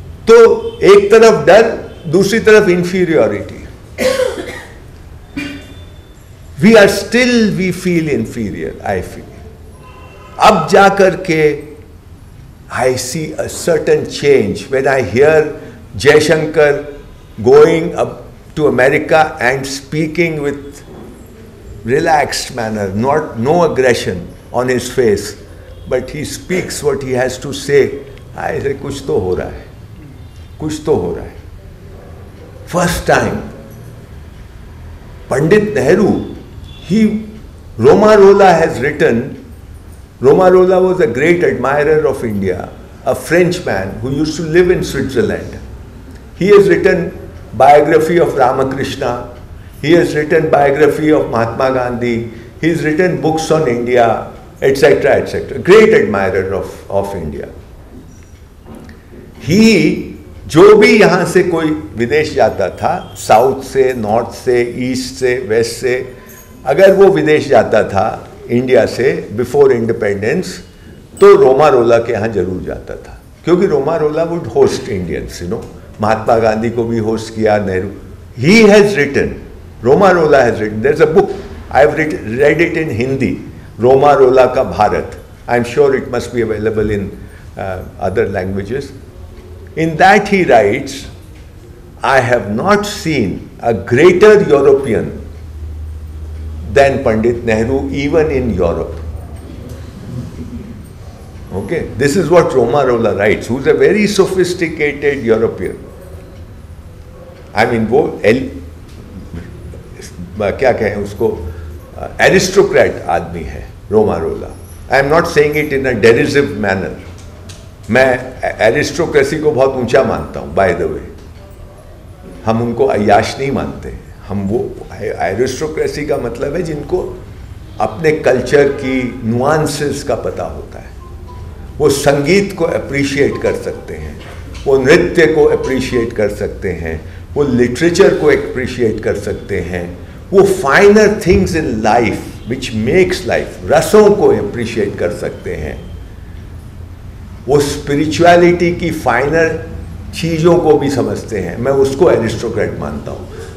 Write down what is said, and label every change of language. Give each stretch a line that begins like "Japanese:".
Hindi: तो एक तरफ डर, दूसरी तरफ
English: inferiority, we are still we feel inferior, I feel,
Hindi: अब जाकर के
English: I see a certain change when I hear Jaishankar going अब to America and speaking with relaxed manner, not no aggression on his face, but he speaks what he has to say. I say,
Hindi: kuch to ho raha hai, kuch to ho raha hai.
English: First time, Pandit Nehru, he, Roma Rola has written, Roma Rola was a great admirer of India, a French man who used to live in Switzerland. He has written biography of Ramakrishna. He has written biography of Mahatma Gandhi. He has written books on India, etc., etc. Great admirer of India.
Hindi: He, जो भी यहाँ से कोई विदेश जाता था, south से, north से, ईस्ट से, वेस्ट से, अगर वो विदेश जाता था इंडिया से
English: before independence,
Hindi: तो रोमारोला के यहाँ जरूर जाता था, क्योंकि
English: Romain Rolland would host Indians, you know,
Hindi: Mahatma Gandhi को भी होस्ट किया, Nehru.
English: he has written, Romain Rolland has written, there is a book, I have read it in Hindi,
Hindi: Romain Rolland का Bharat,
English: I am sure it must be available in other languages. In that he writes, I have not seen a greater European than Pandit Nehru even in Europe. Okay, this is what Romarola writes, who is a very sophisticated European. I mean,
Hindi: wo el, kya kahe usko, aristocrat aadmi hai Romarola.
English: I am not saying it in a derisive manner.
Hindi: मैं aristocracy को बहुत ऊंचा मानता हूं,
English: by the way
Hindi: हम उनको अय्याश नहीं मानते, हम वो एरिस्टोक्रेसी का मतलब है जिनको अपने कल्चर की नुआंसेस का पता होता है, वो संगीत को अप्रिशिएट कर सकते हैं, वो नृत्य को अप्रिशिएट कर सकते हैं, वो लिटरेचर को अप्रिशिएट कर सकते हैं, वो
English: finer things in life which makes life,
Hindi: रसों को अप्रिशिएट कर सकते हैं, वो स्पिरिचुअलिटी की फाइनर चीजों को भी समझते हैं, मैं उसको एरिस्टोक्रेट मानता हूँ.